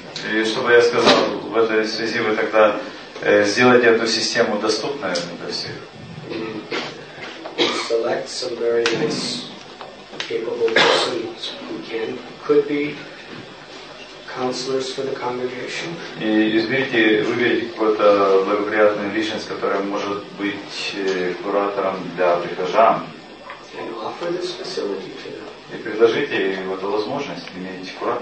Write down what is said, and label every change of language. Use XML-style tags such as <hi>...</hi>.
<ru>И что бы я сказал в этой связи, вы тогда сделаете эту систему доступной для всех.</ru> <en>Select some very nice capable persons who can could be counselors for the congregation.</en> <ru>И выберите какую-то благоприятную личность, которая может быть куратором для прихожан. И предложите им эту возможность иметь</ru>